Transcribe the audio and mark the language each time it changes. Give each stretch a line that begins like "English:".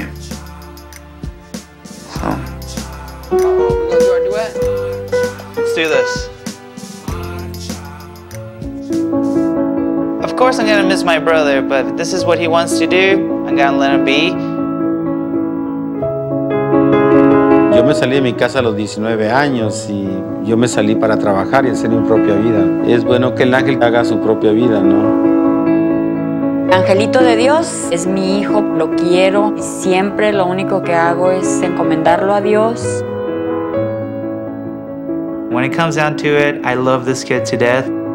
English: So. Let's do our duet. Let's do this. Of course I'm gonna miss my brother, but if this is what he wants to do, I'm gonna let him be.
Spanish: Yo me salí de mi casa a los 19 años y yo me salí para trabajar y hacer mi propia vida. Es bueno que el ángel haga su propia vida, ¿no? Angelito de Dios es mi hijo, lo quiero. Siempre lo único que hago es encomendarlo a Dios.
English: When it comes down to it, I love this kid to death.